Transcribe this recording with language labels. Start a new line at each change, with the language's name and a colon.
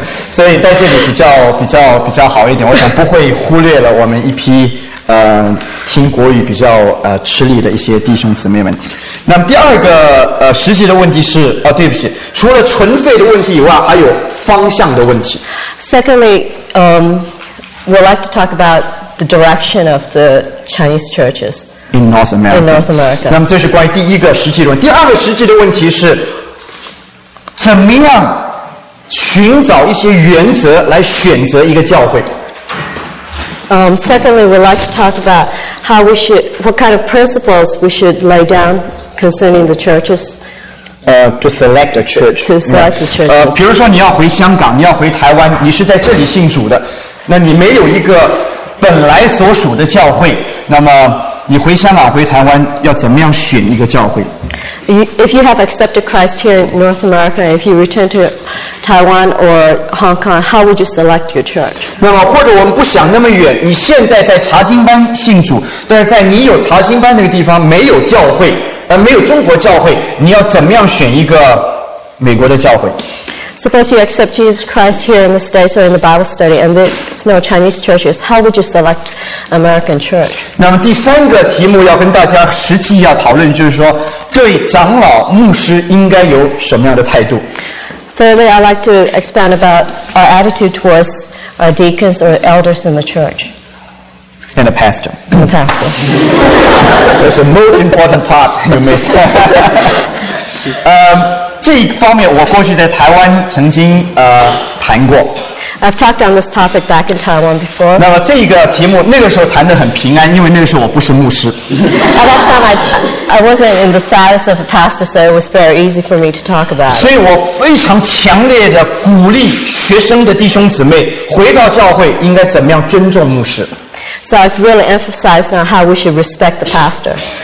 Chinese: 所以在这里比较好一点，我想不会忽略了我们一批听国语比较吃力的一些弟兄姊妹们。那么第二个实际的问题是对不起，除了存废的问题以外，还有方向的问题。
English: Secondly, we'd like to talk about the direction of the Chinese churches in North America. In North America.
Chinese: 那么这是关于第一个实际的问题。第二个实际的问题是怎么样寻找一些原则来选择一个教会。
English: Secondly, we'd like to talk about what kind of principles we should lay down concerning the churches. To select a church. To select the church.
Chinese: 比如说你要回香港，你要回台湾，你是在这里信主的，那你没有一个本来所属的教会，那么你回香港、回台湾要怎么样选一个教会？
English: If you have accepted Christ here in North America, if you return to Taiwan or Hong Kong, how would you select your church?
Chinese: 那么或者我们不想那么远，你现在在查经班信主，但是在你有查经班那个地方没有教会，没有中国教会，你要怎么样选一个美国的教会？
English: Suppose you accept Jesus Christ here in the States or in the Bible study, and there's no Chinese churches. How would you select American church?
Chinese: 那么第三个题目要跟大家实际要讨论，就是说对长老牧师应该有什么样的态度？
English: Thirdly, I'd like to expand about our attitude towards our deacons or elders in the church. And the pastor. And the pastor. That's the most important part you missed.
Chinese: 这一方面我过去在台湾曾经谈过。
English: I've talked on this topic back in Taiwan before.
Chinese: 那么这个题目那个时候谈得很平安，因为那个时候我不是牧师。
English: At that time, I wasn't in the status of a pastor, so it was very easy for me to talk about.
Chinese: 所以我非常强烈的鼓励学生的弟兄姊妹回到教会应该怎么样尊重牧师。
English: So I've really emphasized on how we should respect the pastor.